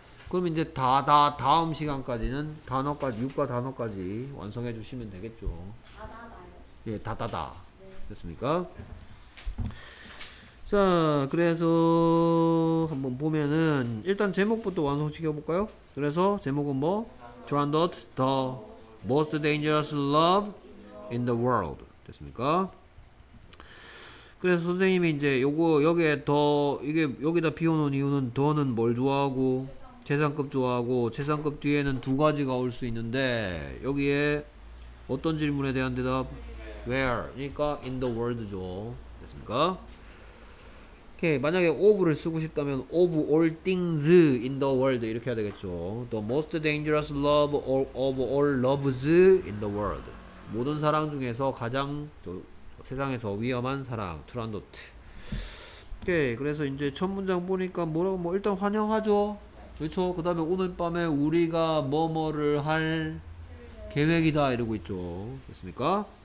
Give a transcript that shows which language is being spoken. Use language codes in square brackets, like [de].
[ko] 그럼 이제 다음 시간까지는 단어까지, 육과 단어까지 완성해 주시면 되겠죠. 다다다요. 예, 다다다. 네. 됐습니까? 자, 그래서 한번 보면은 일단 제목부터 완성시켜 볼까요? 그래서 제목은 뭐? [en] Drowned the most dangerous love in the world. [ko] 됐습니까? 그래서 선생님이 이제 요거 여기에 더 이게 여기다 비워놓은 이유는 더는 뭘 좋아하고 최상급 좋아하고 최상급 뒤에는 두 가지가 올 수 있는데 여기에 어떤 질문에 대한 대답 where 그러니까 [en] in the world [ko] 죠. 됐습니까? 오케이. 만약에 of를 쓰고 싶다면 [en] of all things in the world [ko] 이렇게 해야 되겠죠. [en] The most dangerous love of all loves in the world. [ko] 모든 사랑 중에서 가장 저, 세상에서 위험한 사랑 트란도트. 오케이. 그래서 이제 첫 문장 보니까 뭐라고 뭐 일단 환영하죠. 그렇죠. 그 다음에 오늘 밤에 우리가 뭐뭐를 할 계획이다 이러고 있죠. 됐습니까?